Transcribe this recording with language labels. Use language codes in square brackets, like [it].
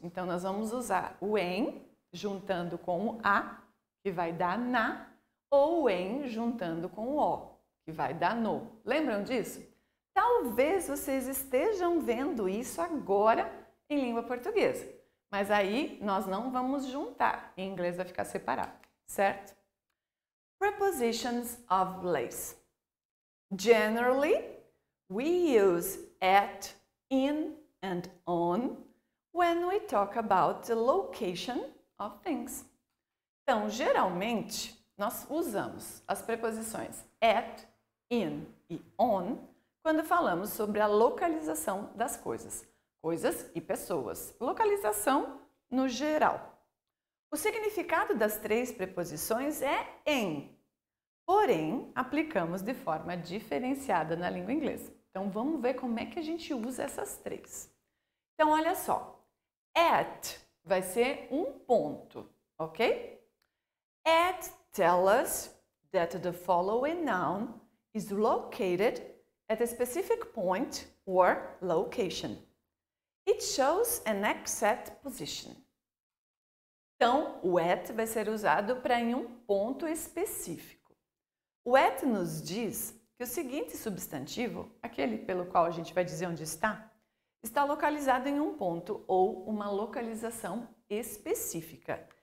[pt] Então, nós vamos usar o em juntando com o a, que vai dar na, ou o em juntando com o, que vai dar no. Lembram disso? Talvez vocês estejam vendo isso agora em língua portuguesa. Mas aí nós não vamos juntar, em inglês vai ficar separado, certo? [en] Prepositions of place. Generally, we use at, in, and on when we talk about the location of things. [pt] Então, geralmente, nós usamos as preposições at, in e on quando falamos sobre a localização das coisas. Coisas e pessoas. Localização no geral. O significado das três preposições é em. Porém, aplicamos de forma diferenciada na língua inglesa. Então, vamos ver como é que a gente usa essas três. Então, olha só. At vai ser um ponto, ok? [en] At tells us that the following noun is located at a specific point or location. It shows an exact position. [pt] Então, o at vai ser usado para em um ponto específico. O at nos diz que o seguinte substantivo, aquele pelo qual a gente vai dizer onde está, está localizado em um ponto ou uma localização específica.